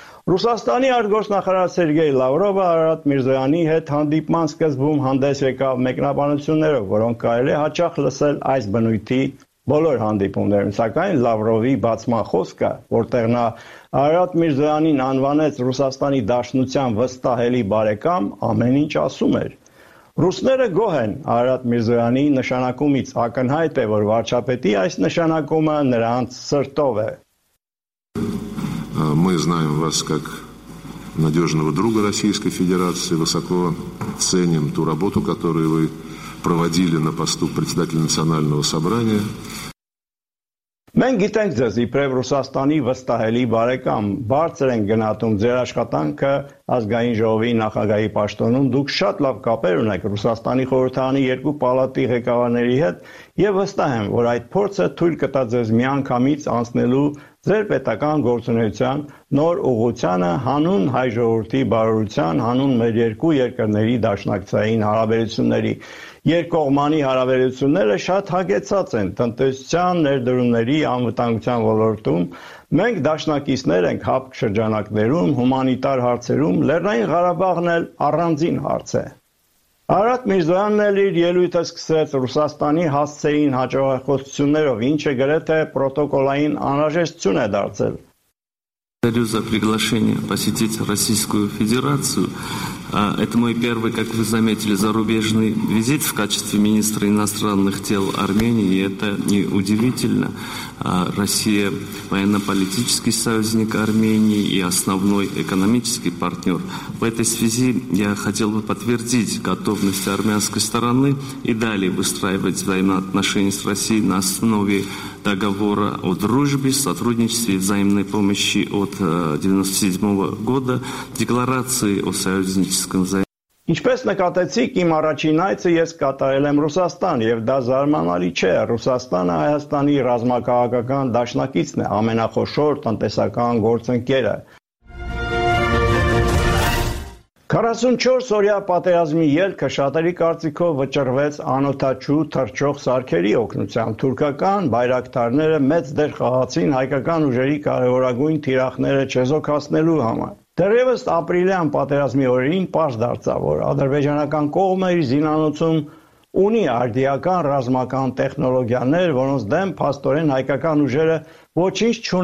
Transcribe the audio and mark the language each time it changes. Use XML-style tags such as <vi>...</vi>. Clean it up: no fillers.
<hy>Ռուսաստանի արտգործնախարար Սերգեյ Լավրովը Արարատ Միրզոյանի հետ հանդիպման սկզբում հանդես եկավ մեկնաբանություններով, որոնք կարելի հաճախ լսել այս բնույթի բոլոր հանդիպումներում, սակայն Լավրովի բացման խոսքը, որտեղ նա Արարատ Միրզոյանին անվանեց Ռուսաստանի Դաշնության վստահելի բարեկամ, ամեն ինչ ասում էր. Ռուսները գոհ են Արարատ Միրզոյանի նշանակումից, ակնհայտ է, որ վարչապետի այս նշանակումը նրանց սրտով է։</hy> <ru>Мы знаем вас как надежного друга Российской Федерации, высоко ценим ту работу, которую вы проводили на посту председателя национального собрания.</ru> <hy>Мен գիտենք ձեզ իբրև Ռուսաստանի վստահելի բարեկամ, բարձր են գնահատում ձեր աշխատանքը ազգային ժողովի նախագահի պաշտոնում, դուք շատ լավ կապեր ունեք Ռուսաստանի խորհրդարանի երկու պալատի ղեկավարների հետ, եւ վստահ եմ, որ այդ փորձը թույլ կտա ձեզ միանգամից անցնելու ձեր պետական գործունեության նոր ուղղությանը, հանուն հայ ժողովրդի բարօրության, հանուն մեր երկու երկրների դաշնակցային հարաբերությունների։ Երկկողմանի հարաբերությունները շատ հագեցած են տնտեսության, ներդրումների, անվտանգության ոլորտում։ Մենք դաշնակիցներ ենք հապկ շրջանակներում, հումանիտար հարցերում, Լեռնային Ղարաբաղն էլ առանձին հարց է։ Արարատ Միրզոյանն էլ իր ելույթը սկսեց Ռուսաստանի հասցեին հաջողակոստություններով, ինչը գրեթե պրոտոկոլային անհրաժեշտություն է դարձել։</hy> <ru>Благодарю за приглашение посетить Российскую Федерацию. Это мой первый, как вы заметили, зарубежный визит в качестве министра иностранных дел Армении, и это не удивительно. Россия – военно-политический союзник Армении и основной экономический партнер. В этой связи я хотел бы подтвердить готовность армянской стороны и далее выстраивать взаимоотношения с Россией на основе договора о дружбе, сотрудничестве и взаимной помощи от 1997 года, декларации о союзническом взаимодействии.</ru> <hy>Ինչպես նկատեցիք, իմ առաջին այցը ես կատարել եմ Ռուսաստան, և դա զարմանալի չէ, Ռուսաստանը Հայաստանի ռազմաքաղաքական դաշնակիցն է, ամենախոշոր տնտեսական գործընկերը։ 44-օրյա պատերազմի ելքը շատերի կարծիքով վճռվեց անօթաչու թռչող սարքերի օգնությամբ։ Թուրքական բայրակտարները մեծ դեր խաղացին հայկական ուժերի կարևորագույն թիրախները չեզոքացնելու համար։ Դեռևս ապրիլյան պատերազմի օրերին պարզ դարձավ, որ ադրբեջանական կողմը իր զինանոցում ունի արդիական ռազմական տեխնոլոգիաներ, որոնց դեմ փաստորեն հայկական ուժերը ոչինչ</hy>